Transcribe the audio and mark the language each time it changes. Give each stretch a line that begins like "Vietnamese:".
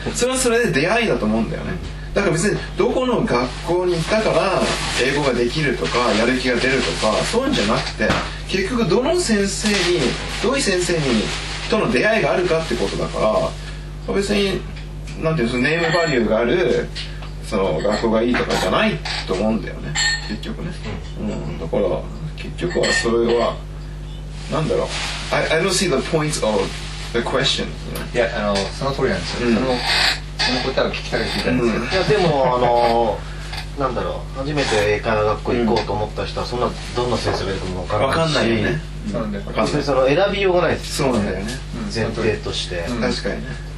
Japanese: それはそれで出会いだと思うんだよね。だから別にどこの学校に行ったから英語ができるとかやる気が出るとかそういうんじゃなくて、結局どの先生にどういう先生にとの出会いがあるかってことだから、別になんていうの、そのネームバリューがあるその学校がいいとかじゃないと思うんだよね、結局ね、うん、だから結局はそれは何だろう。
English: I don't see the point of the question。
Japanese: いや、あのその通りなんですよ。うん、その答えを聞きたいって言ったんですよ。いや、でもなんだろう、初めて英会話学校行こうと思った人はそんなどんな先生がいるかも分からないし、分かんないよね、うん、そうなんだよ、選びようがないです、ね、そうなんだよね、前提として、うん、確かにね、